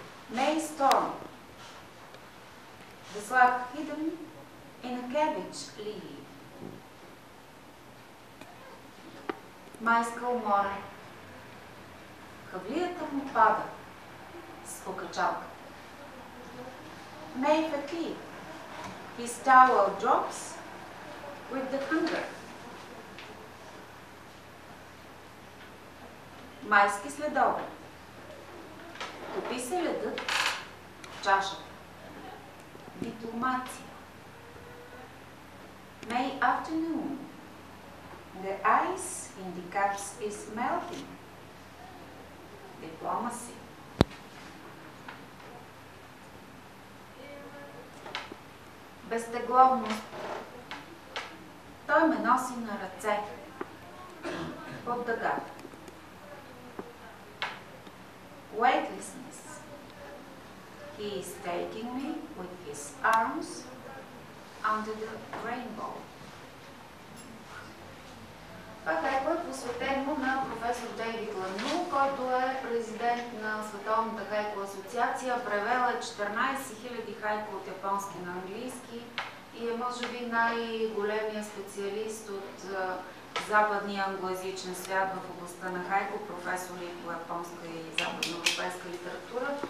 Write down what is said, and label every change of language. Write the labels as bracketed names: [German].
[English] May storm, the slug hidden in a cabbage leaf. [Bulgarian] Майска умора, хавлията му пада с окачалка. [English] May fatigue, his towel drops with the hunger. [Bulgarian] Майски следове. Топи се ледът в чашата. Дипломация. [English] May afternoon. The ice in the cups is melting. Diplomacy. [Bulgarian] Безтегловност. Той ме носи на ръце. Под дъгата. [English] Weightlessness. He is taking me with his arms under the rainbow. [Bulgarian] Това е посветено на професор Дейвид Лану, който е президент на Световната Световната хайко асоциация превела 14 000 хайко от японски на английски и е може би най-големия специалист от западния англоязичен свят в областта на хайко, професори по японска и западноевропейска литература.